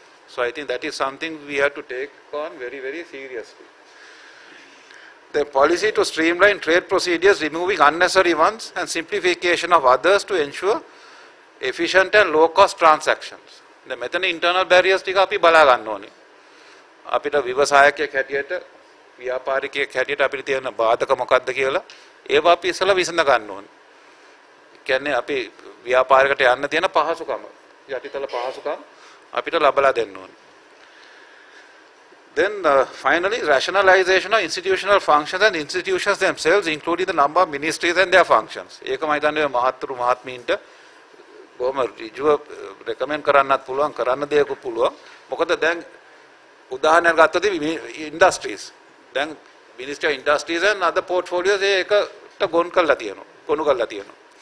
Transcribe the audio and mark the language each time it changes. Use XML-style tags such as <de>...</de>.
<en>So I think that is something we have to take on very, very seriously. The policy to streamline trade procedures, removing unnecessary ones and simplification of others to ensure efficient and low-cost transactions. The method of internal barriers to</en> <si>අපි බලා ගන්න ඕනේ. අපිට ව්‍යවසායකයෙක් හැටියට, ව්‍යාපාරිකයෙක් හැටියට අපිට තියෙන බාධක මොකක්ද කියලා ඒවා අපි ඉස්සලා විසඳ ගන්න ඕනේ. කියන්නේ අපි ව්‍යාපාරයකට යන්න තියෙන පහසුකම, යටිතල පහසුකම් අපිට ලබලා දෙන්න ඕනේ.</si> <en>Then finally rationalization of institutional functions and institutions themselves including the number of ministries and their functions.</en> <si>ඒක මම හිතන්නේ මහත්තුරු මහත්මීන්ට බොහොම ඍජුව රෙකමෙන්ඩ් කරන්නත් පුළුවන්, කරන්න දෙයක් පුළුවන්. මොකද දැන් උදාහරණයක් ගත්තොත් ඉන්ඩස්ට්‍රීස්, දැන්</si> <en>ministry of industries and other portfolios</en> <si>ඒකට ගොනු කරලා තියෙනවා, ගොනු කරලා තියෙනවා.</si>